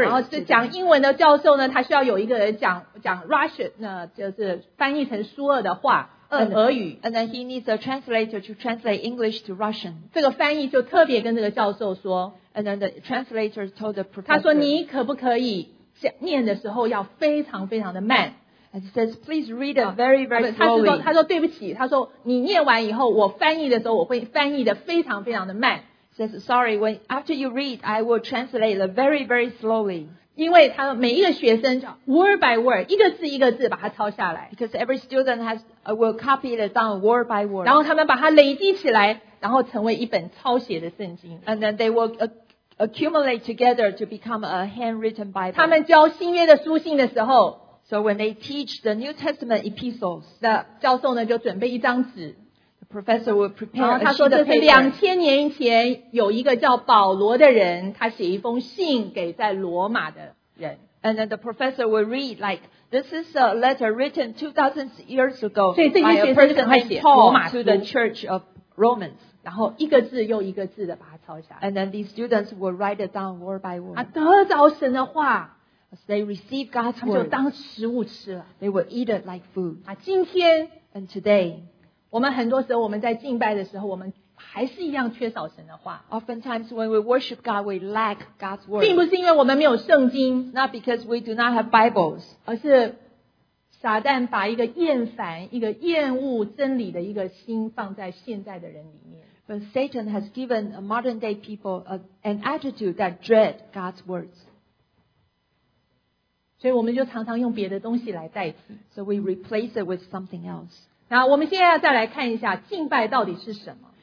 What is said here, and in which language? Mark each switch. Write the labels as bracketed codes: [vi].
[zh] 然后是讲英文的教授呢他需要有一个人讲 Russian 就是翻译成苏俄的话俄语 [en] And then he needs a translator to translate English to Russian [zh] 这个翻译就特别跟这个教授说 [en] And then the translator told the professor [zh] 他说你可不可以念的时候要非常非常的慢 [en] And he says, please read it very, very slowly. [zh] 他说对不起，他说你念完以后，我翻译的时候，我会翻译的非常非常的慢。 [en] He says, sorry, when after you read, I will translate it very, very slowly. [zh] 因为他每一个学生叫 [en] word by word, [zh] 一个字一个字把它抄下来。 [en] Because every student has, will copy it down word by word. [zh] 然后他们把它累积起来，然后成为一本抄写的圣经。 [en] And then they will accumulate together to become a handwritten Bible. [zh] 他们教新约的书信的时候 [en] So when they teach the New Testament epistles, [zh] 那教授呢就准备一张纸 [en] ，the professor will prepare. [zh] 然后他说这是两千年前有一个叫保罗的人，他写一封信给在罗马的人。 [en] And then the professor will read like this is a letter written 2,000 years ago. [zh] 所以这些学生赶快写罗马书 [en] to the Church of Romans. [zh] 然后一个字又一个字的把它抄下来。 [en] And then these students will write it down word by word. [zh] 啊，得着神的话。 [en] They receive God's word. [zh] 他们就当食物吃了。 [en] They will eat it like food. [zh] 啊，今天 [en] and today, [zh] 我们很多时候我们在敬拜的时候，我们还是一样缺少神的话。 [en] Oftentimes when we worship God, we lack God's word. [zh] 并不是因为我们没有圣经 [en] ，not because we do not have Bibles, [zh] 而是撒旦把一个厌烦、一个厌恶真理的一个心放在现在的人里面。 [en] But Satan has given a modern day people an attitude that dread God's words. [zh] 所以我们就常常用别的东西来代替 [en] So we replace it with something else [zh] 那我们现在要再来看一下敬拜到底是什么